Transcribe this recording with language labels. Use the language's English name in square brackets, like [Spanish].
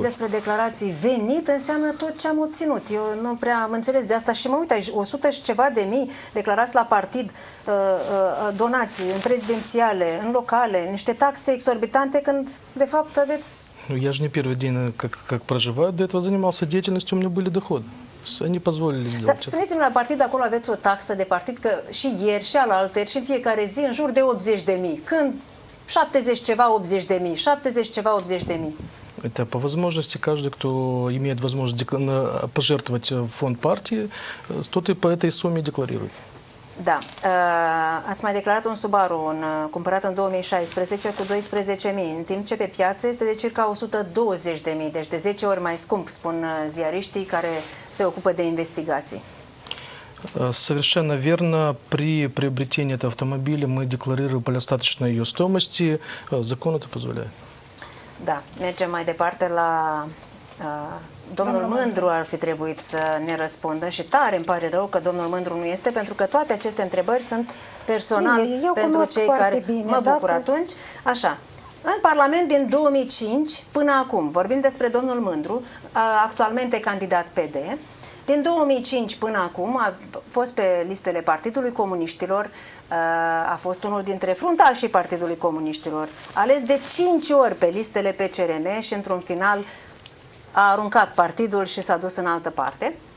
[Russian] год. [Romanian] Când vorbim despre declarații venit, înseamnă tot ce am obținut. Eu nu prea am înțeles de asta și mă uit aici, 100 și ceva de mii declarați la partid, donații în prezidențiale, în locale, niște taxe exorbitante, când de fapt aveți... Nu, [Russian] я же не первый день, как проживаю, до этого занимался деятельностью, у меня были доходы. Să ne pozvolile zile. [Romanian] Dar spuneți-mi, la partid acolo aveți o taxă de partid, că și ieri, și alaltăieri, și în fiecare zi, în jur de 80 de mii. Când? 70 ceva, 80 de mii. 70 ceva, 80 de mii. [Russian] Это по возможности каждый, кто имеет возможность пожертвовать в фонд партии, тот и по этой сумме декларирует. [Romanian] Da. Ați mai declarat un Subaru cumpărat în 2016 cu 12.000, în timp ce pe piață este de circa 120.000, deci de 10 ori mai scump, spun ziariștii care se ocupă de investigații. [Russian] Совершенно верно. При приобретении этого автомобиля мы декларируем полиостаточную ее стоимость. Закон это позволяет. Да. [Romanian] Мерджем mai departe la domnul Mândru ar fi trebuit să ne răspundă și tare îmi pare rău că domnul Mândru nu este, pentru că toate aceste întrebări sunt personal bine, pentru cei care bine, mă bucur atunci. Așa. În Parlament din 2005 până acum, vorbim despre domnul Mândru, actualmente candidat PD, din 2005 până acum a fost pe listele Partidului Comuniștilor, a fost unul dintre fruntașii Partidului Comuniștilor, ales de 5 ori pe listele PCRM și într-un final a aruncat partidul și s-a dus în altă parte.